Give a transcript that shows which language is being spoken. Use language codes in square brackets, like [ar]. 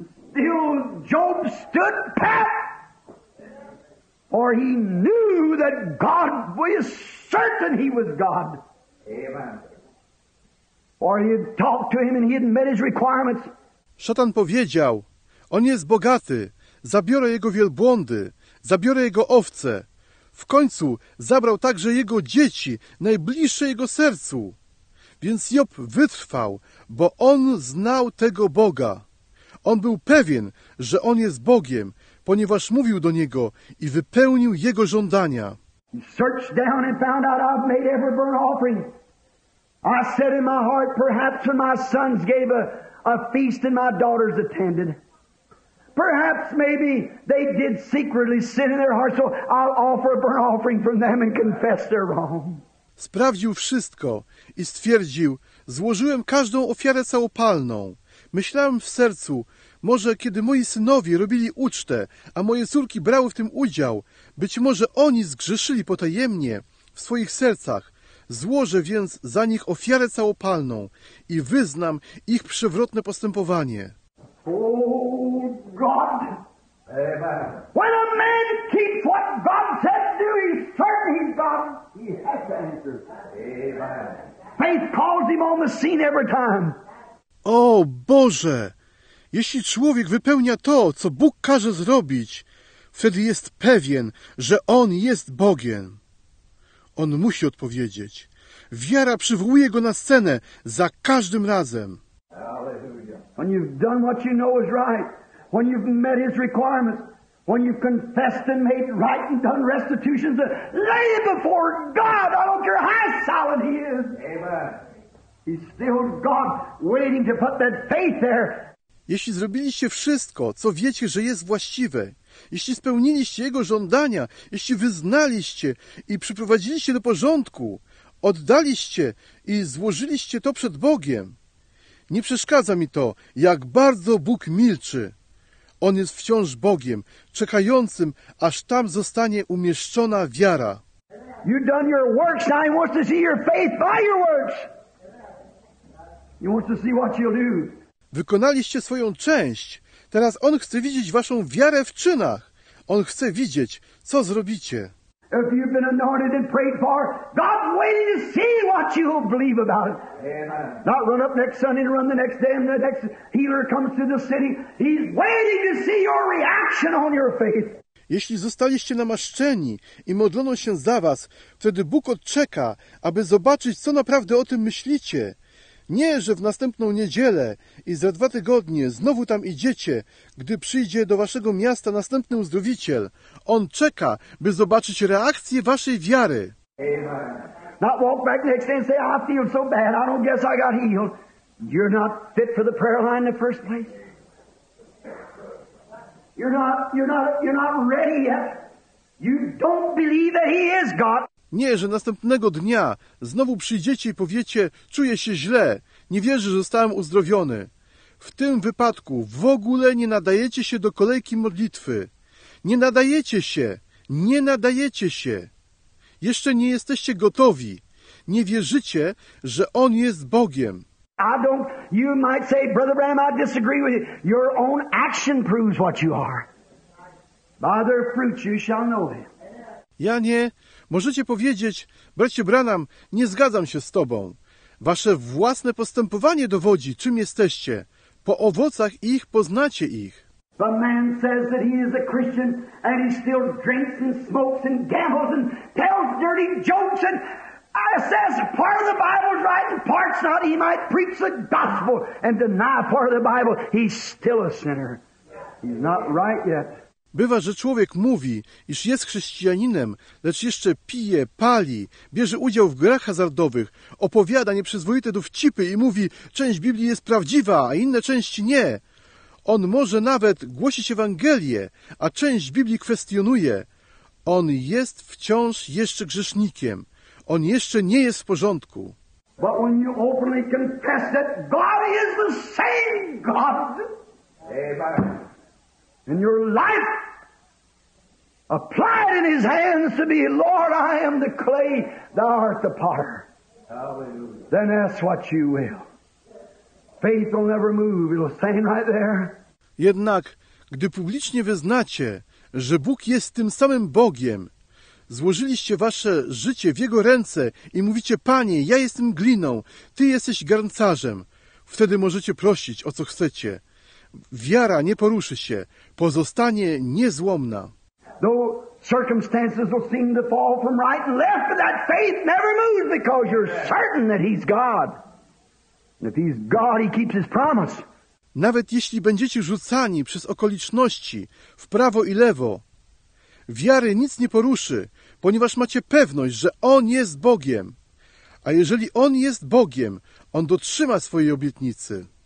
[en] Still Job stood pat. For he knew that God was certain he was God. Amen. Or he had talked to him and he had met his requirements. [pl] Szatan powiedział, on jest bogaty, zabiorę jego wielbłądy, zabiorę jego owce. W końcu zabrał także jego dzieci, najbliższe jego sercu. Więc Job wytrwał, bo on znał tego Boga. On był pewien, że on jest Bogiem, ponieważ mówił do niego i wypełnił jego żądania. [en] Searched down and found out I've made every burnt offering. I said in my heart, perhaps when my sons gave a feast and my daughters attended. Perhaps maybe they did secretly sin in their hearts, so I'll offer a burnt offering from them and confess their wrong. [pl] Sprawdził wszystko i stwierdził, złożyłem każdą ofiarę całopalną. Myślałem w sercu, może kiedy moi synowie robili ucztę, a moje córki brały w tym udział, być może oni zgrzeszyli potajemnie w swoich sercach. Złożę więc za nich ofiarę całopalną i wyznam ich przewrotne postępowanie. [en] Oh God. Amen. When a man keeps what God said to do, he's certain he's God. He has to answer. Amen. Faith calls him on the scene every time. [pl] O Boże! Jeśli człowiek wypełnia to, co Bóg każe zrobić, wtedy jest pewien, że On jest Bogiem. On musi odpowiedzieć. Wiara przywołuje go na scenę za każdym razem. [en] When you've done what you know is right, when you've met his requirements, when you've confessed and made right and done restitutions, lay it before God. I don't care how solid he is. Amen. He's still God waiting to put that faith there. [pl] Jeśli zrobiliście wszystko, co wiecie, że jest właściwe, jeśli spełniliście Jego żądania, jeśli wyznaliście i przyprowadziliście do porządku, oddaliście i złożyliście to przed Bogiem, nie przeszkadza mi to, jak bardzo Bóg milczy. On jest wciąż Bogiem, czekającym, aż tam zostanie umieszczona wiara. [en] You've done your works, now He wants to see your faith by your works. He wants to see what you'll do. [pl] Wykonaliście swoją część. Teraz On chce widzieć waszą wiarę w czynach. On chce widzieć, co zrobicie. [en] If you've been anointed and prayed for, God's waiting to see what you'll believe about it. Amen. Not run up next Sunday and run the next day and the next healer comes to the city. He's waiting to see your reaction on your faith. [pl] Jeśli zostaliście namaszczeni i modlono się za was, wtedy Bóg odczeka, aby zobaczyć, co naprawdę o tym myślicie. Nie, że w następną niedzielę i za dwa tygodnie znowu tam idziecie, gdy przyjdzie do waszego miasta następny uzdrowiciel. On czeka, by zobaczyć reakcję waszej wiary. [en] Amen. Not walk back next day and say, I feel so bad, I don't guess I got healed. You're not fit for the prayer line in the first place. You're not ready yet. You don't believe that He is God. [pl] Nie, że następnego dnia znowu przyjdziecie i powiecie, czuję się źle, nie wierzę, że zostałem uzdrowiony. W tym wypadku w ogóle nie nadajecie się do kolejki modlitwy. Nie nadajecie się. Nie nadajecie się. Jeszcze nie jesteście gotowi. Nie wierzycie, że On jest Bogiem. [en] I don't, you might say, Brother Bram, I disagree with you. Your own action proves what you are. By their fruits you shall know them. [pl] Ja nie. Możecie powiedzieć, bracie Branham, nie zgadzam się z tobą. Wasze własne postępowanie dowodzi, czym jesteście. Po owocach ich poznacie ich. [en] The man says that he is a Christian and he still drinks and smokes and gambles and tells dirty jokes and I says part of the Bible is right and part's not. He might preach the gospel and deny part of the Bible. He's still a sinner. He's not right yet. [pl] Bywa, że człowiek mówi, iż jest chrześcijaninem, lecz jeszcze pije, pali, bierze udział w grach hazardowych, opowiada nieprzyzwoite dowcipy i mówi, część Biblii jest prawdziwa, a inne części nie. On może nawet głosić Ewangelię, a część Biblii kwestionuje. On jest wciąż jeszcze grzesznikiem. On jeszcze nie jest w porządku. [en] But when you openly confess that God is the same God. Amen. And your life applied in His hands to be, Lord, I am the clay, Thou art the potter. Hallelujah. Then ask what you will. Faith will never move. It'll stand right there. [pl] Jednak, gdy publicznie wyznacie, że Bóg jest tym samym Bogiem, złożyliście wasze życie w Jego ręce i mówicie, Panie, ja jestem gliną, Ty jesteś garncarzem, wtedy możecie prosić o co chcecie. Wiara nie poruszy się, pozostanie niezłomna. [en] Though circumstances will seem to fall from right and left, but that faith never moves because you're certain that He's God. And if He's God, He keeps His promise. [pl] Nawet jeśli będziecie rzucani przez okoliczności w prawo i lewo, wiary nic nie poruszy, ponieważ macie pewność, że On jest Bogiem. A jeżeli On jest Bogiem, On dotrzyma swojej obietnicy.